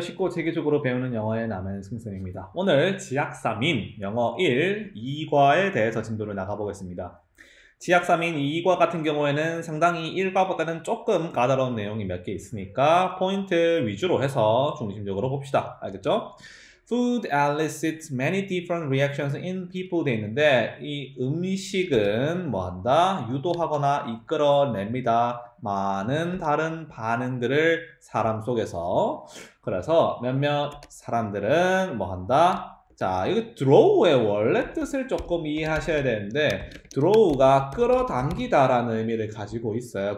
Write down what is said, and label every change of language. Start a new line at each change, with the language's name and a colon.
Korean: 쉽고 체계적으로 배우는 영어의 남은 승쌤입니다. 오늘 지약삼인 영어 1, 2과에 대해서 진도를 나가보겠습니다. 지약삼인 2과 같은 경우에는 상당히 1과보다는 조금 까다로운 내용이 몇 개 있으니까 포인트 위주로 해서 중심적으로 봅시다. 알겠죠?
English: Food elicits many different reactions in people
Korean: 돼 있는데 이 음식은 뭐한다? 유도하거나 이끌어냅니다. 많은 다른 반응들을 사람 속에서. 그래서 몇몇 사람들은 뭐한다? 자, 이거 draw의 원래 뜻을 조금 이해하셔야 되는데 draw가 끌어당기다라는 의미를 가지고 있어요.